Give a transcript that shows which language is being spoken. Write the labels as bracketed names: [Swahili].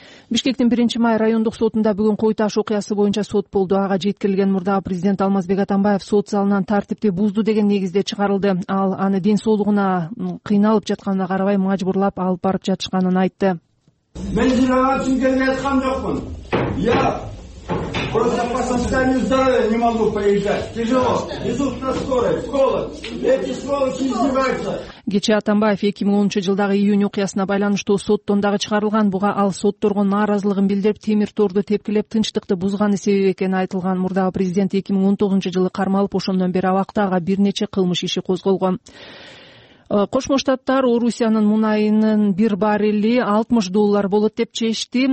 [Kyrgyz] Бишкектин 1-май райондук сотунда бүгүн кой таш окуясы боюнча сот болду. Ага жеткирилген мурда президент Алмазбек Атамбаев сот залынан тартипти бузду деген негизде чыгарылды. Ал аны ден соолугуна кыйналып жатканына карабай мажбурлап алып барып жатышканын айтты. Мен жинага үчүн келип аткан жокмун. [Russian] Я просто по состоянию здоровья не могу поезжать. Тяжело. Везут на скорой. Сколы. Эти сволочи издеваются. [Kyrgyz] Кечээ Атамбаев 2010 жылдагы июнь окуясына байланыштуу соттондагы чыгарылган. Буга ал сотторго нааразылыгын билдирип, темир торду тепкилеп, тынчтыкты бузганы себеп экени айтылган. Мурдагы президент 2019 жылы кармалып, ошондон бери абактага бир нече кылмыш иши козголгон. Кошмо Штаттар Орусиянын мунайынын бир баррели $60 болот деп чечти.